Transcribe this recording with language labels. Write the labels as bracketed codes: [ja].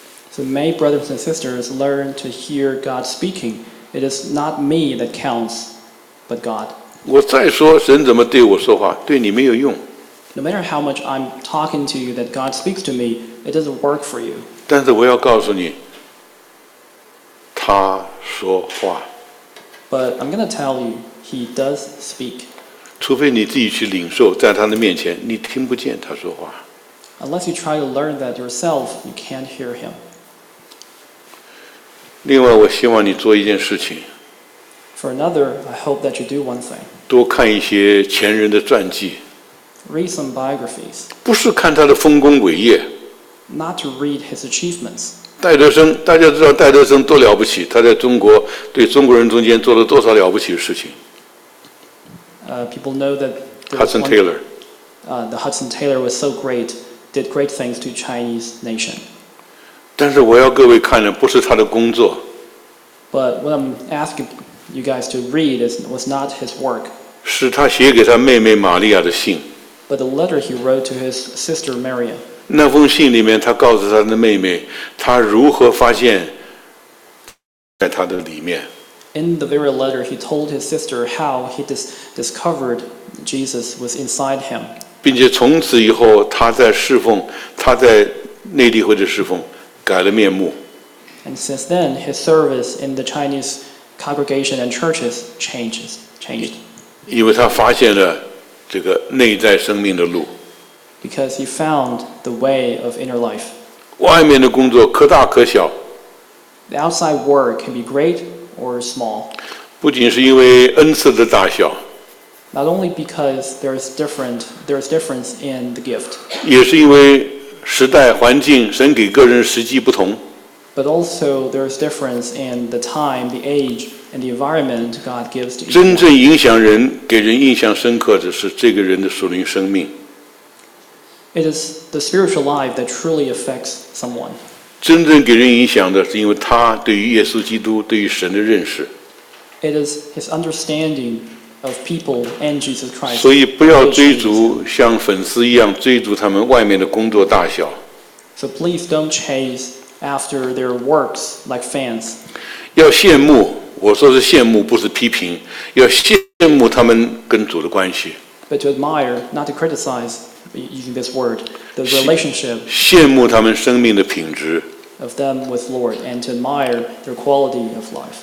[en] So may brothers and sisters learn to hear God speaking. It is not me that counts, but God. [zh] 我再说神怎么对我说话，对你没有用。 [en] No matter how much I'm talking to you that God speaks to me, it doesn't work for you. [zh] 但是我要告诉你，他说话。 [en] But I'm going to tell you, He does speak. [zh] 除非你自己去领受，在他的面前，你听不见他说话。 [en] Unless you try to learn that yourself, you can't hear Him. [zh] 另外，我希望你做一件事情。 [en] For another, I hope that you do one thing. [zh] 多看一些前人的传记。 [en] Read some biographies. [zh] 不是看他的丰功伟业。 [en] not to read his achievements. [zh] 戴德生，大家知道戴德生多了不起，他在中国对中国人中间做了多少了不起的事情。 [en] People know that Hudson Taylor. The Hudson Taylor was so great, did great things to Chinese nation. [zh] 但是我要各位看的不是他的工作。 [en] But what I'm asking you guys to read was not his work. [zh] 是他写给他妹妹玛利亚的信。 [en] But the letter he wrote to his sister Maria. [zh] 那封信里面，他告诉他的妹妹，他如何发现在他的里面。 [en] In the very letter, he told his sister how he discovered Jesus was inside him. [zh] 并且从此以后，他在侍奉，他在内地会的侍奉，改了面目。 [en] And since then, his service in the Chinese congregation and churches changed. [zh] 因为他发现了这个内在生命的路。 [en] Because he found the way of inner life. [zh] 外面的工作可大可小。 [en] The outside work can be great or small. [zh] 不仅是因为恩赐的大小。 [en] Not only because there is difference in the gift. [zh] 也是因为时代环境神给个人时机不同。 [en] But also there is difference in the time, the age, and the environment God gives to each. [zh] 真正影响人，给人印象深刻的是这个人的属灵生命。 [en] It is the spiritual life that truly affects someone. [zh] 真正给人影响的是因为他对于耶稣基督、对于神的认识。 [en] It is his understanding of people and Jesus Christ. [zh] 所以不要追逐像粉丝一样追逐他们外面的工作大小。 [en] So please don't chase after their works like fans. [zh] 要羡慕，我说是羡慕，不是批评。要羡慕他们跟主的关系。 [en] But to admire, not to criticize. Using this word, the relationship [zh] 羡慕他们生命的品质 [en] of them with Lord, and to admire their quality of life.